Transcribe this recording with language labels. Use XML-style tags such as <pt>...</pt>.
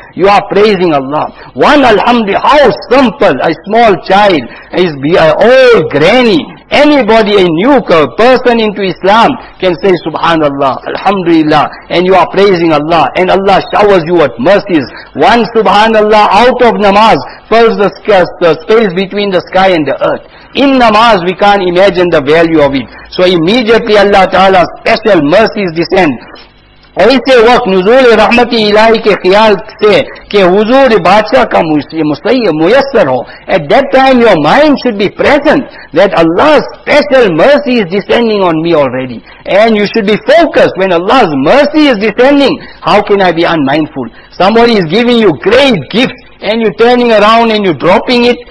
<en>You are praising Allah. One alhamdulillah, how simple, a small child, is be an old granny, anybody, a new person into Islam can say subhanallah, alhamdulillah, and you are praising Allah, and Allah showers you with mercies. One subhanallah, out of namaz, fills the space between the sky and the earth. In namaz, we can't imagine the value of it. So immediately Allah Ta'ala's special mercies descend.</en> <ur>ایسے وقت نزول رحمت الہی کے خیال سے کہ حضور بادشاہ کا میسر ہو.</ur> <en>At that time your mind should be present that Allah's special mercy is descending on me already. And you should be focused when Allah's mercy is descending. How can I be unmindful? Somebody is giving you great gifts and you're turning around and you're dropping it.</en>